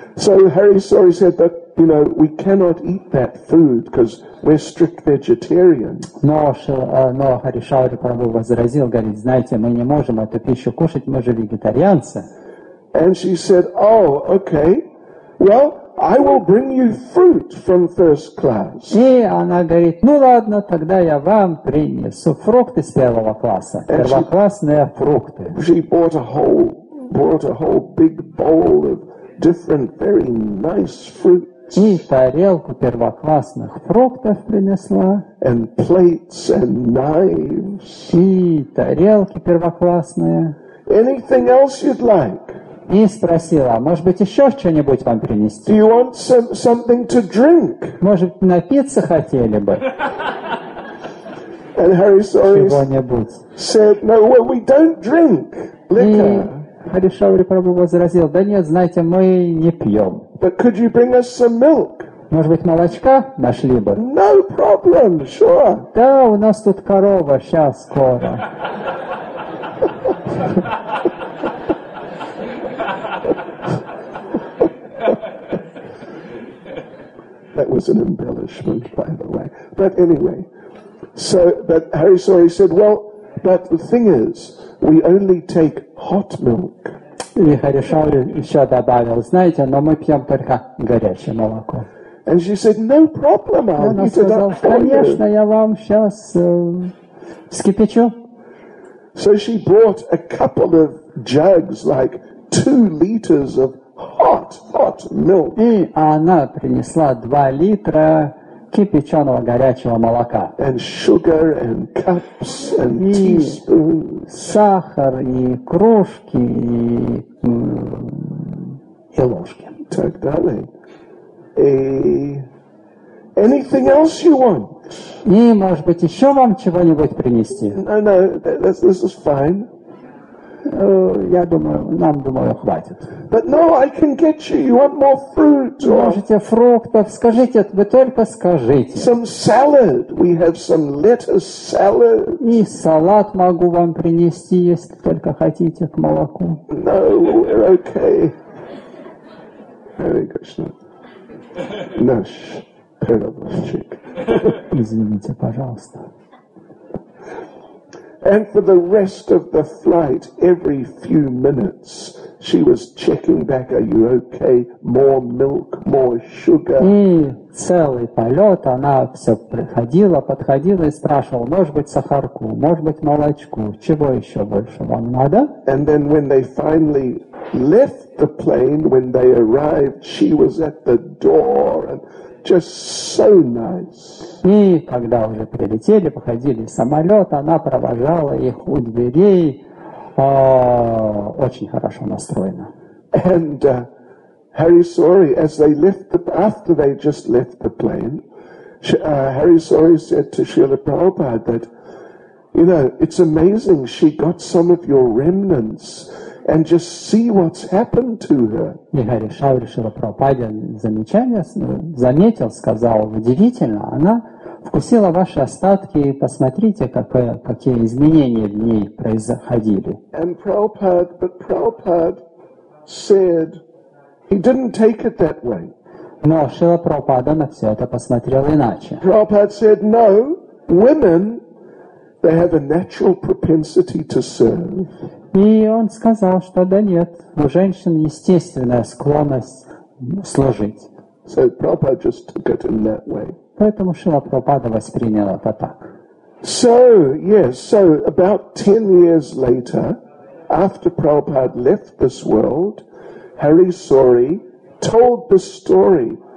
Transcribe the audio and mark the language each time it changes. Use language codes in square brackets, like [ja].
[en] So Hari Sawai said that, you know, we cannot eat that food because we're strict vegetarians. [ru] Но Hari Sawai Prabhu возразил, говорит, знаете, мы не можем эту пищу кушать, мы же вегетарианцы. [en] And she said, "Oh, okay. Well, I will bring you fruit from first class." [ru] И она говорит, ну ладно, тогда я вам принесу фрукты с первого класса, первоклассные фрукты. [en] She brought a whole big bowl of different, very nice fruits. [ru] И тарелку первоклассных фруктов принесла. [en] And plates and knives. [ru] И тарелки первоклассные. [en] Anything else you'd like? [ru] И спросила, может быть, еще что-нибудь вам принести? [en] Do you want something to drink? [ru] Может, напиться хотели бы? [en] And Hari Sawai said, "No, well, we don't drink liquor." [ru] Hari Sawai Prabhu возразил, да нет, знаете, мы не пьем. [en] But could you bring us some milk? [ru] Может быть, молочка нашли бы? [en] No problem, sure. [ru] Да, у нас тут корова, сейчас, скоро. [en] That was an embellishment, by the way. But anyway, but Hari Sawai said, well, but the thing is, we only take hot milk. [ru] И Hari Sawai еще добавил, знаете, но мы пьем только горячее молоко. [en] And she said, no problem, I'll heat it up for you. [ru] Конечно, я вам сейчас вскипячу. [en] So she brought a couple of jugs, like 2 liters of hot milk. [ru] И она принесла 2 литра кипяченого горячего молока. [en] And sugar and cups and teaspoons. [ru] Сахар и кружки и ложки. Так далее. [en] Anything else you want? [ru] И, может быть, еще вам чего-нибудь принести? [en] No, this is fine. [ru] Я думаю, нам, думаю, хватит. [en] But no, I can get you want more fruit. [ru] Можете фруктов, скажите, вы только скажите. [en] Some salad. We have some lettuce salad. [ru] И салат могу вам принести, если только хотите, к молоку. [en] No, we're okay. Hare Krishna. [ru] Наш перевозчик. Извините, пожалуйста. [en] And for the rest of the flight, every few minutes, She was checking back, are you okay? More milk, more sugar. [ru] И целый полет она все приходила, подходила и спрашивала, может быть, сахарку, может быть, молочку, чего еще больше вам надо? [en] And then when they finally left the plane, when they arrived, she was at the door and just so nice. [ru] И когда уже прилетели, походили в самолет, она провожала их у дверей, очень хорошо настроена. [en] And Hari Sori, as they left the, after they just left the plane, Hari Sori said to Srila Prabhupada that, you know, it's amazing she got some of your remnants and just see what's happened to her. [ru] И Хари Шаури Шрила Прабхупаде замечание заметил, сказал, удивительно, она вкусила ваши остатки, и посмотрите, какие изменения в ней происходили. [en] And Prabhupada, but Prabhupada said, he didn't take it that way. [ru] Но Шрила Прабхупада на все это посмотрел иначе. [en] Prabhupada said, no, women, they have a natural propensity to serve. [ru] И он сказал, что да нет, у женщин естественная склонность служить. [en] So Prabhupada just took it in that way. [ru] Поэтому Шрила Прабхупада воспринял это так. [en] So, yes, so about 10 years later, after Prabhupada left this world, Hari Sori told the story.